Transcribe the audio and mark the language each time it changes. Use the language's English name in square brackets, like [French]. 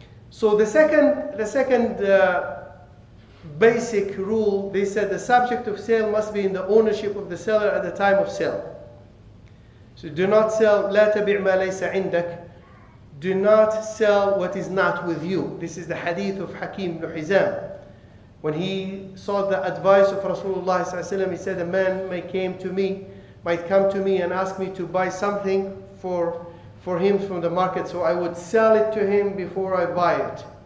[English] So the second basic rule, they said the subject of sale must be in the ownership of the seller at the time of sale. So do not sell, [Arabic] لا تبيع ما ليس عندك. [English] Do not sell what is not with you. This is the hadith of Hakim ibn Hizam. When he saw the advice of Rasulullah SAW, he said, a man might come to me and ask me to buy something for him from the market, so I would sell it to him before I buy it.